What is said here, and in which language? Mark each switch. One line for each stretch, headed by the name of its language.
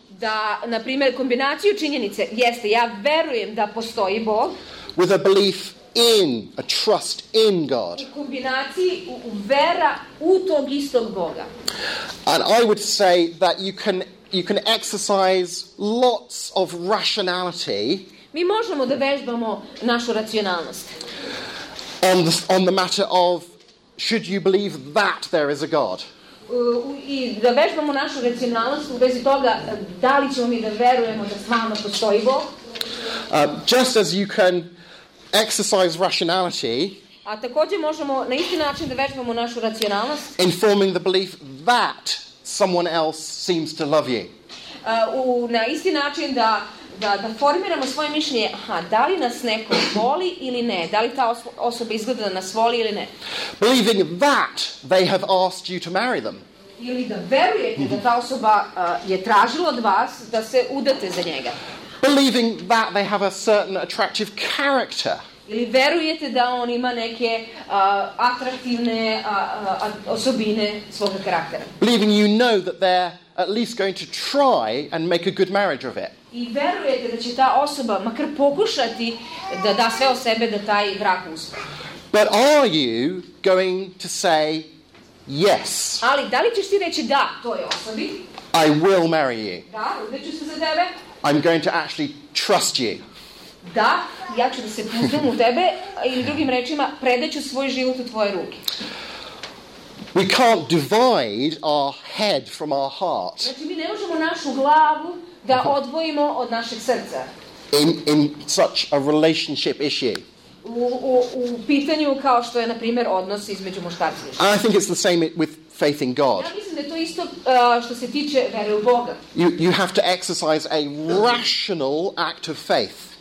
Serbian: Da, na primjer, kombinaciju činjenice jeste, ja verujem da postoji Bog,
English: with a belief in, a trust in God.
Serbian: U kombinaciji vera u tog istog Boga.
English: And I would say that you can exercise lots of rationality.
Serbian: Mi možemo da vežbamo našu racionalnost.
English: On the matter of, should you believe that there is a God?
Serbian: I da vežbamo našu racionalnost u vezi toga da li ćemo mi da verujemo da stvarno postoji Bog.
English: Just as you can exercise rationality,
Serbian: a također možemo na isti način da vežbamo našu racionalnost,
English: in forming the belief that someone else seems to love you.
Serbian: Na isti način da formiramo svoje mišljenje, aha, da li nas neko voli ili ne, da li ta osoba izgleda da nas voli ili ne.
English: Believing that they have asked you to marry them.
Serbian: Ili da verujete da ta osoba je tražila od vas da se udate za njega.
English: Believing that they have a certain attractive character.
Serbian: Ili verujete da on ima neke atraktivne osobine svog karaktera.
English: Believing you know that they're at least going to try and make a good marriage of it.
Serbian: I verujete da će ta osoba makar pokušati da da sve o sebe da taj brak uspe.
English: But are you going to say yes?
Serbian: Ali da li ćeš ti reći da toj osobi?
English: I will marry you.
Serbian: Da, udat ću se za tebe.
English: I'm going to actually trust you.
Serbian: Da, ja ću da se pouzdam u tebe, ili drugim rečima, predaću svoj život u tvoje ruke.
English: We can't divide our head from our heart.
Serbian: Znači, mi ne možemo našu glavu da odvojimo od našeg srca.
English: In such a relationship issue.
Serbian: U pitanju kao što je, na primjer, odnos između muškarca i žene.
English: I think it's the same with faith in God.
Serbian: Ja mislim da je to isto što se tiče vere u Boga.
English: You have to exercise a rational act of faith.